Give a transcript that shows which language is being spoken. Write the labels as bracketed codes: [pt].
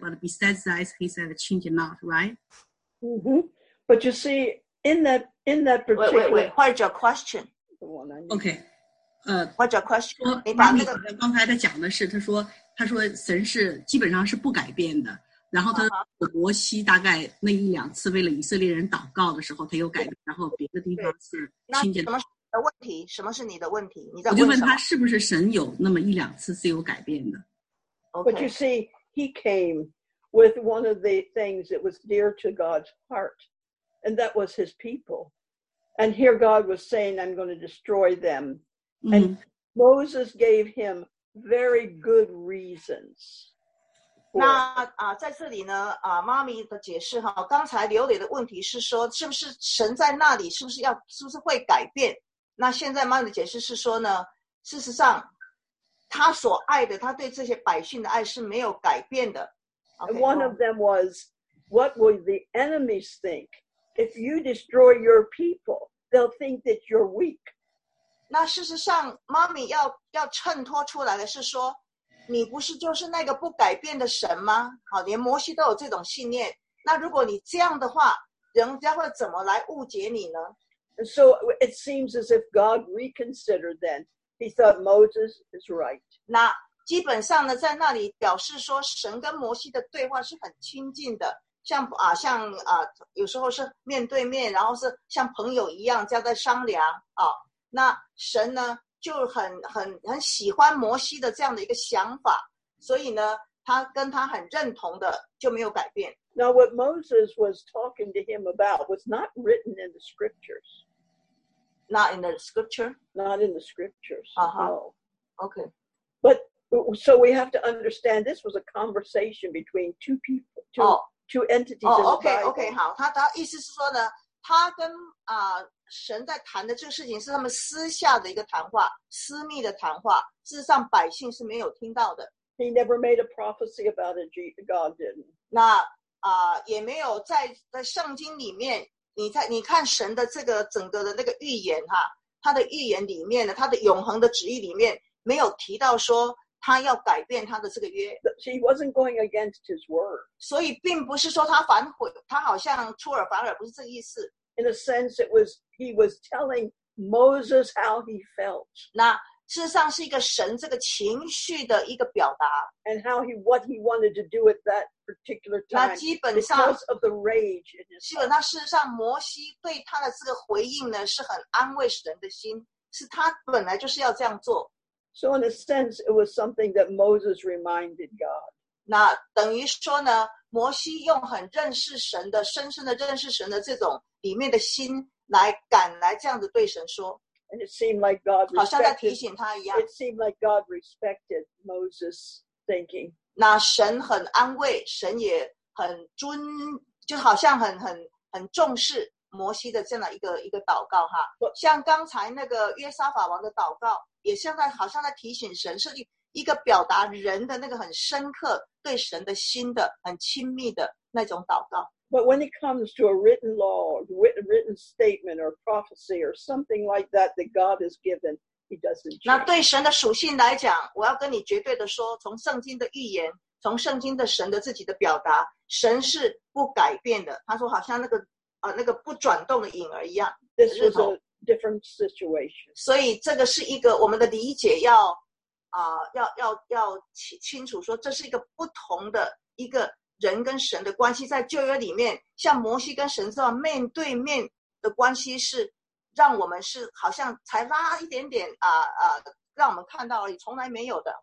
[en] But besides that, he said change not, right? Mm-hmm. But you see, in that particular wait, what's your question? Okay. What's your question? [zh] 刚才他讲的是，他说神是基本上是不改变的。然后他摩西大概那一两次为了以色列人祷告的时候，他又改变。然后别的地方是听见的。问题，什么是你的问题？你在我就问他是不是神有那么一两次是有改变的。 [en] Okay. But you see, he came with one of the things that was dear to God's heart, and that was his people. And here God was saying, I'm going to destroy them. And Moses gave him very good reasons. [zh] 那啊，在这里呢，啊，妈咪的解释哈，刚才刘磊的问题是说，是不是神在那里，是不是要，是不是会改变？那现在妈咪的解释是说呢，事实上，他所爱的，他对这些百姓的爱是没有改变的。 [en] And one of them was, what would the enemies think? If you destroy your people, they'll think that you're weak. [zh] 那事实上，妈咪要衬托出来的是说，你不是就是那个不改变的神吗？好，连摩西都有这种信念。那如果你这样的话，人家会怎么来误解你呢？ [en] And so it seems as if God reconsidered then. He thought Moses is right. [zh] 那基本上呢，在那里表示说神跟摩西的对话是很亲近的，像有时候是面对面，然后是像朋友一样这样在商量啊。那神呢就很喜欢摩西的这样的一个想法，所以呢他跟他很认同的，就没有改变。 [en] Now what Moses was talking to him about was not written in the scriptures. Not in the scripture? Not in the scriptures. Uh-huh. No. Okay. But so we have to understand this was a conversation between two people, two entities. Oh, okay, okay. [zh] 好，他意思是说呢，他跟啊神在谈的这个事情是他们私下的一个谈话，私密的谈话，事实上百姓是没有听到的。 [en] He never made a prophecy about it. God didn't. [zh] 那也没有在圣经里面，你看神的这个整个的那个预言哈，他的预言里面呢，他的永恒的旨意里面没有提到说他要改变他的这个约。 [en] He wasn't going against his word. [zh] 所以并不是说他反悔，他好像出尔反尔，不是这个意思。 [en] In a sense, it was he was telling Moses how he felt. [zh] 那事实上是一个神这个情绪的一个表达。 [en] And how he what he wanted to do at that particular time. [zh] 那基本上 [en] because of the rage. [zh] 基本上事实上摩西对他的这个回应呢是很安慰神的心，是他本来就是要这样做。 [en] So in a sense, it was something that Moses reminded God. [zh] 那等于说呢，摩西用很认识神的、深深的认识神的这种里面的心来赶来这样子对神说。 [en] And it seemed like God respected, [zh] 好像在提醒他一样。 [en] It seemed like God respected Moses' thinking. [zh] 那神很安慰，神也很尊，就好像很重视摩西的这样的一个祷告哈。像刚才那个约沙法王的祷告，也像在好像在提醒神，是一个表达人的那个很深刻对神的心的很亲密的那种祷告。 [en] But when it comes to a written law, written statement, or prophecy, or something like that that God has given, He doesn't change. [zh] 那对神的属性来讲，我要跟你绝对的说，从圣经的预言，从圣经的神的自己的表达，神是不改变的。他说，好像那个不转动的影儿一样。 [en] This was a different situation. [zh] 所以这个是一个我们的理解要啊、要清楚说，这是一个不同的一个。人跟神的关系在旧约里面，像摩西跟神这样面对面的关系，是让我们是好像才拉一点点啊啊，让我们看到而已，从来没有的。